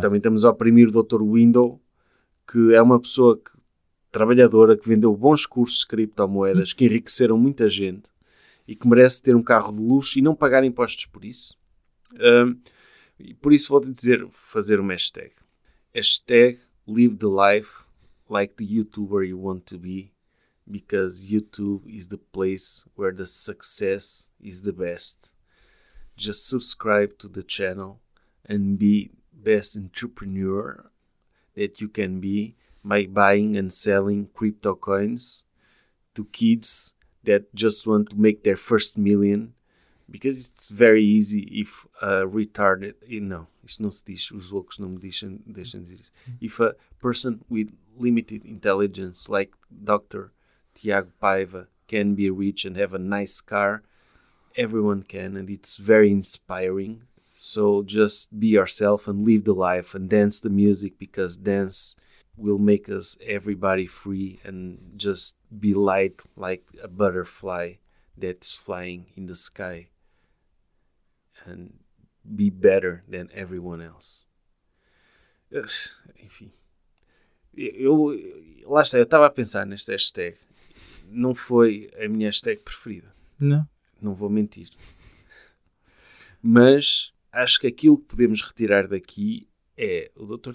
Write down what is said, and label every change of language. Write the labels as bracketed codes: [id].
[pt] Também estamos a oprimir o Dr. Window, que é uma pessoa que, trabalhadora, que vendeu bons cursos de criptomoedas, que enriqueceram muita gente e que merece ter um carro de luxo e não pagar impostos por isso. E por isso vou-te dizer, fazer uma hashtag. [en] Hashtag live the life like the YouTuber you want to be, because YouTube is the place where the success is the best. Just subscribe to the channel and be best entrepreneur that you can be by buying and selling crypto coins to kids that just want to make their first million, because it's very easy if a retarded, you know, [pt] isto não se diz, os loucos não me deixam, deixam dizer isso. [en] If a person with limited intelligence like Dr. Tiago Paiva can be rich and have a nice car, everyone can, and it's very inspiring. So just be yourself and live the life and dance the music, because dance will make us everybody free, and just be light like a butterfly that's flying in the sky, and be better than everyone else. [pt] Enfim, eu lá está, eu estava a pensar neste hashtag, não foi a minha hashtag preferida. Não. Não vou mentir. Mas acho que aquilo que podemos retirar daqui é: o Dr.